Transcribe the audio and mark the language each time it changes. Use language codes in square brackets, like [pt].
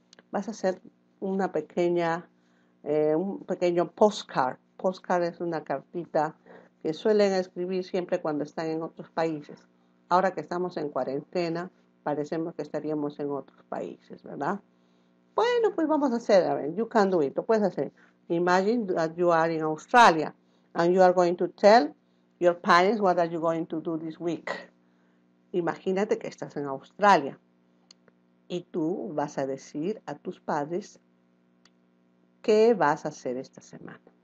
[es] Vas a hacer una pequeña, un pequeño postcard. Postcard es una cartita que suelen escribir siempre cuando están en otros países. Ahora que estamos en cuarentena, parecemos que estaríamos en otros países, ¿verdad? Bueno, pues vamos a hacer, a ver, [en] you can do it, [es] lo puedes hacer. [en] Imagine that you are in Australia and you are going to tell your parents what are you going to do this week. [es] Imagínate que estás en Australia y tú vas a decir a tus padres qué vas a hacer esta semana.